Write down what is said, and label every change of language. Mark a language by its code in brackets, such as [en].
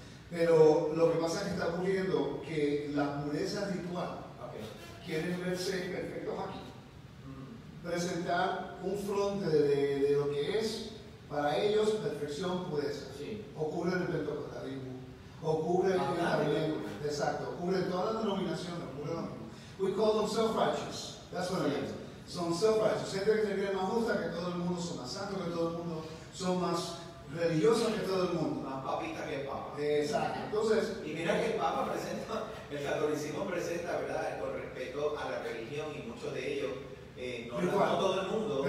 [es] Pero lo que pasa es que está ocurriendo que la pureza ritual, quieren verse perfectos aquí. Presentar un fronte de lo que es para ellos perfección, pureza. Sí. Ocurre en el pentecostalismo, ocurre en la lengua, exacto, ocurre en todas las denominaciones, ocurre lo mismo. [en] We call them self-righteous, that's what it is. [es] Son self-righteous, gente que se cree más justa que todo el mundo, son más santos que todo el mundo, son más religiosos que todo el mundo. Más papita que el Papa. Exacto. Entonces, y mira que el Papa presenta, el catolicismo presenta, ¿verdad?, con respecto a la religión y muchos de ellos, no todo el mundo.